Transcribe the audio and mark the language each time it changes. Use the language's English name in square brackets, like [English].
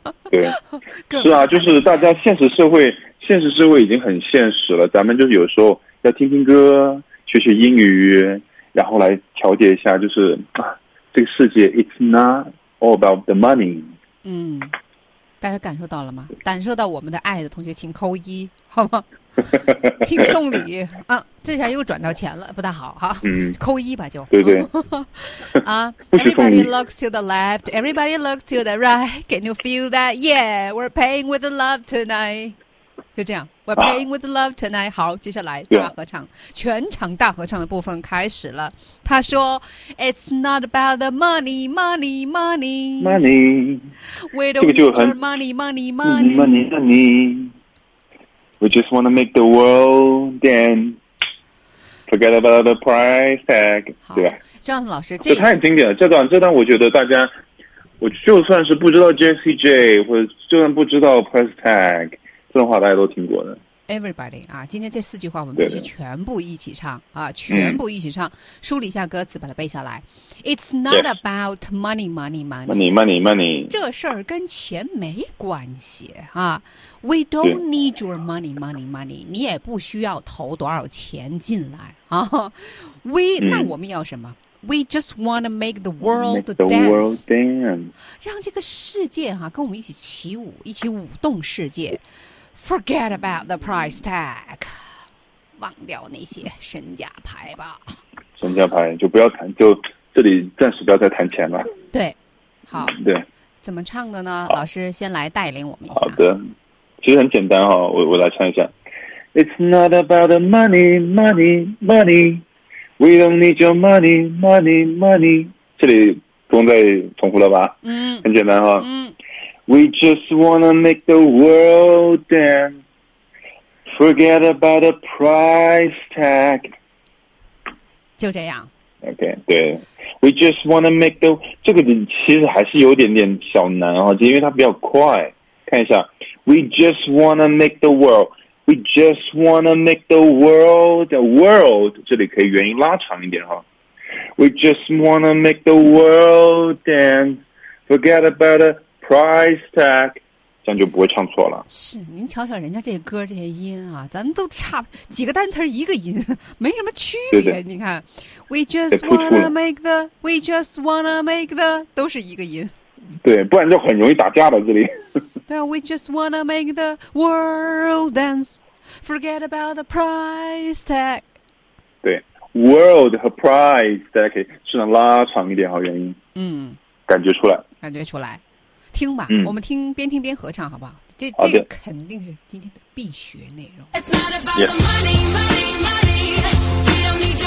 [Chinese] 对，是啊，就是大家现实社会已经很现实了，咱们就是有时候要听听歌，学学英语，然后来调节一下，就是啊，这个世界 [English] it's not all about the money， [Chinese] 嗯。大家感受到了吗？感受到我们的爱的同学请扣一，好吗？请送礼啊！这下又转到钱了，不大好哈。嗯，扣一吧就。对对。 [English] 啊，Everybody looks to the left, everybody looks to the right. Can you feel that? Yeah, we're paying with the love tonight. [Chinese] 就这样 [English] ，We're paying with the love tonight.、啊、 [Chinese] 好，接下来大合唱， yeah. 全场大合唱的部分开始了。他说 [English] ，It's not about the money, money, money, money. We don't need money, money, money, money, money. We just want to make the world dance. Forget about the price tag. [Chinese] 对吧？张老师，这太经典了。这段我觉得大家，我就算是不知道 JCJ， 或者就算不知道 price tag， 这段话大家都听过的。 Everybody 啊，今天这四句话我们必须全部一起唱啊，全部一起唱、嗯，梳理一下歌词，把它背下来。 [English] It's not about money, money, money, money, money, money. [Chinese] 这事儿跟钱没关系啊。 [English] We don't need your money, money, money. [Chinese] 你也不需要投多少钱进来啊。 [English] We、嗯、 [Chinese] 那我们要什么 ？ [English] We just want to make the world dance， [Chinese] 让这个世界哈、啊、跟我们一起起舞，一起舞动世界。 [English] Forget about the price tag， [Chinese] 忘掉那些身价牌吧。身价牌就不要谈，就这里暂时不要再谈钱了。对，好。对，怎么唱的呢？老师先来带领我们一下。好的，其实很简单哈、哦，我来唱一下。 [English] It's not about the money, money, money. We don't need your money, money, money. [Chinese] 这里不用再重复了吧？嗯，很简单哈。嗯 [English] ，We just wanna make the world dance, forget about the price tag。 [Chinese] 就这样。 [English] OK， 对。 We just wanna make the [Chinese] 这个其实还是有点点小难啊，因为它比较快。看一下 [English] ，We just wanna make the world。 We just wanna make the world, the world. [Chinese] 这里可以元音拉长一点哈。 [English] We just wanna make the world dance, forget about the price tag. [Chinese] 这样就不会唱错了。是，您瞧瞧人家这歌这些音啊，咱都差几个单词一个音，没什么区别。对对你看 [English] ，We just wanna make the, we just wanna make the, [Chinese] 都是一个音。对，不然就很容易打架了这里。对 [English] ，We just wanna make the world dance, forget about the price tag. [Chinese] 对 ，world 和 price 大家可以试着拉长一点，好原因。嗯，感觉出来，感觉出来，听吧，嗯、我们听边听边合唱，好不好？这好这个、肯定是今天的必学内容。 [English] It's not about the money, money, money.